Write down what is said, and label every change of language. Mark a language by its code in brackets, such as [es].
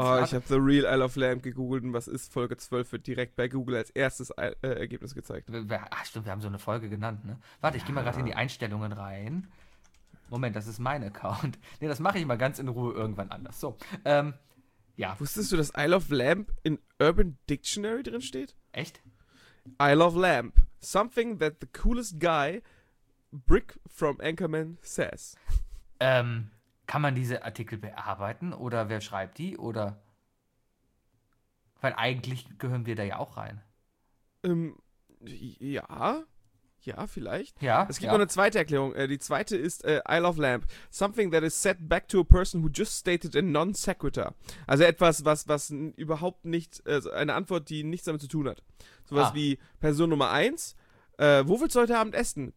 [de] Oh, ich habe The Real Isle of Lamb gegoogelt und was ist? Folge 12 wird direkt bei Google als erstes Ergebnis gezeigt. Stimmt, wir haben so eine Folge genannt, ne? Warte, ich gehe mal gerade in die Einstellungen rein. Moment, das ist mein Account. Ne, das mache ich mal ganz in Ruhe irgendwann anders. So, ja. Wusstest du, dass Isle of Lamb in Urban Dictionary drin steht? Echt? Isle of Lamb. [en] Something that the coolest guy, Brick from Anchorman, says. [de] Kann man diese Artikel bearbeiten? Oder wer schreibt die? Oder? Weil eigentlich gehören wir da ja auch rein. Ja. Ja, vielleicht. Ja, es gibt noch eine zweite Erklärung. Die zweite ist Isle of Lamb. [en] Something that is said back to a person who just stated a non sequitur. [de] Also etwas, was überhaupt nicht, eine Antwort, die nichts damit zu tun hat. Sowas wie Person Nummer 1, wo willst du heute Abend essen?